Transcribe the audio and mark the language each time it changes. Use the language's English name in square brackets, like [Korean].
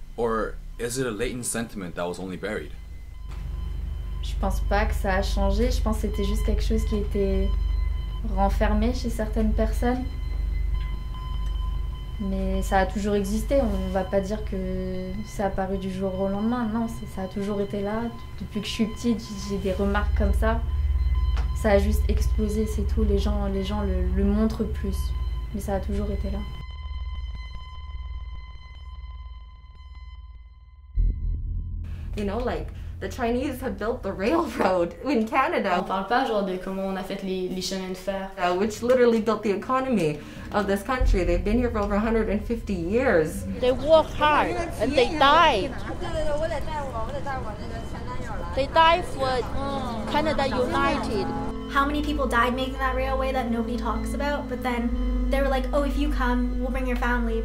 [English] Or is it a latent sentiment that was only buried? [French] Je pense pas que ça a changé. Je pense que c'était juste quelque chose qui était renfermé chez certaines personnes. Mais ça a toujours existé, on va pas dire que c'est apparu du jour au lendemain, non, ça a toujours été là. Depuis que je suis petite, j'ai des remarques comme ça. Ça a juste explosé, c'est tout, les gens le montrent plus. Mais ça a toujours été là. [English] You know, like, the Chinese have built the railroad in Canada. [French] On parle pas genre de comment on a fait les chemins de fer. [English] Which literally built the economy of this country. They've been here for over 150 years. They work hard and they die. They die for Canada United. How many people died making that railway that nobody talks about? But then they were like, oh, if you come, we'll bring your family.